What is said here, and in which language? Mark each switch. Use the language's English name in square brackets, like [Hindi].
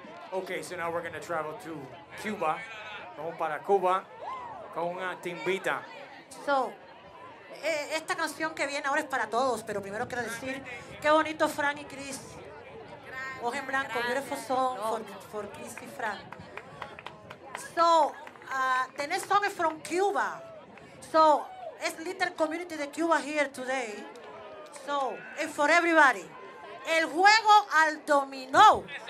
[English] Okay, so now we're going to travel to Cuba. [Spanish] Vamos para Cuba con una timbita. So, esta canción que viene ahora es para todos, pero primero quiero decir qué bonito Frank y Chris. Ojo en blanco, [English] beautiful song for Chris y Frank. So, the next song is from Cuba. So, it's little community de Cuba here today. So, and for everybody, [Spanish] el juego al dominó.